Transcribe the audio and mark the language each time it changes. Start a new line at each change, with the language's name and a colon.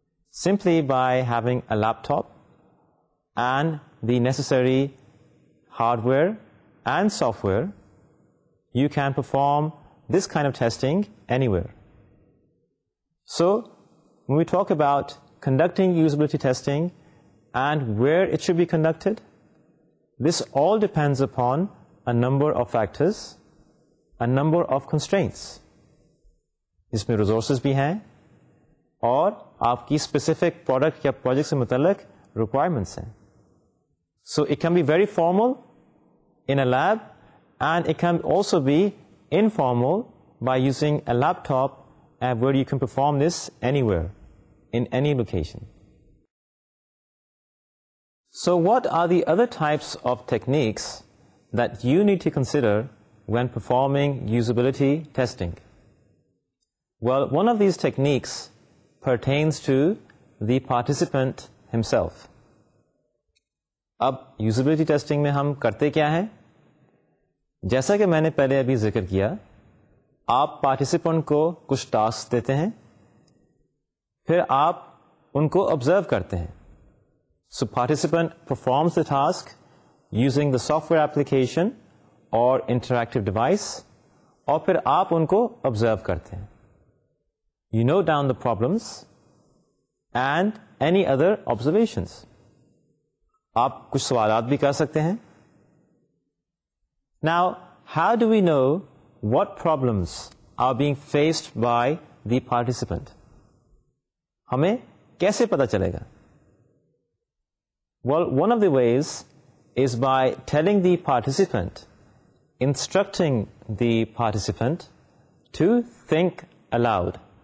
English: Simply by having a laptop and the necessary hardware and software, you can perform this kind of testing anywhere. So, when we talk about conducting usability testing and where it should be conducted, this all depends upon a number of factors, a number of constraints.
Urdu: اس میں resources بھی ہیں اور آپ کی specific product یا project سے متعلق requirements ہیں.
English: So it can be very formal in a lab and it can also be informal by using a laptop and where you can perform this anywhere in any location. So what are the other types of techniques that you need to consider when performing usability testing? Well, one of these techniques pertains to the participant himself.
Urdu: اب usability testing میں ہم کرتے کیا ہیں؟ جیسا کہ میں نے پہلے ابھی ذکر کیا, آپ participant کو کچھ tasks دیتے ہیں, پھر آپ ان کو observe کرتے ہیں.
English: So participant performs the task using the software application or interactive device,
Urdu: اور پھر آپ ان کو observe کرتے ہیں.
English: You note down the problems and any other observations.
Urdu: آپ کچھ سوالات بھی کر سکتے ہیں.
English: Now, how do we know what problems are being faced by the participant?
Urdu: ہمیں کیسے پتا چلے گا؟
English: Well, one of the ways is by telling the participant, instructing the participant to think aloud.